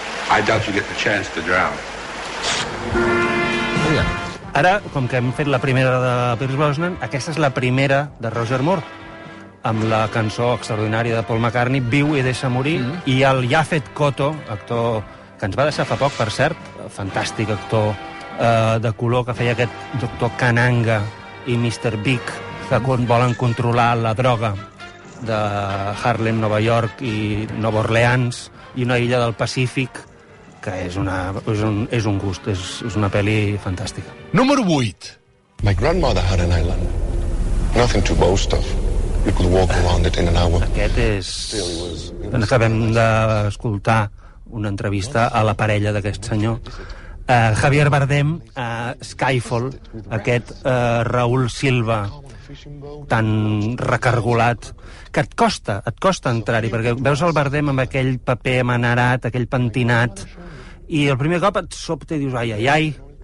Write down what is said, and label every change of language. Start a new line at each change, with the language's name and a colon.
English: I doubt you get the chance to drown.
Catalan: Ara, com que hem fet la primera de Pierce Brosnan, aquesta és la primera de Roger Moore, amb la cançó extraordinària de Paul McCartney, Viu i deixa morir, i el Jafet Koto, actor que ens va deixar fa poc, per cert, fantàstic actor de color, que feia aquest doctor Kananga i Mr. Big, que volen controlar la droga de Harlem, Nova York i Nova Orleans, i una illa del Pacífic, que és un gust, és una pel·li fantàstica. Número 8.
English: My grandmother had an island. Nothing to boast of. You could walk around it in an hour.
Catalan: Aquest és... Acabem d'escoltar una entrevista a la parella d'aquest senyor. Javier Bardem, Skyfall, aquest Raúl Silva tan recargolat, que et costa entrar-hi, perquè veus el Bardem amb aquell paper amanerat, aquell pentinat, i el primer cop et sobte i dius ai, ai, ai,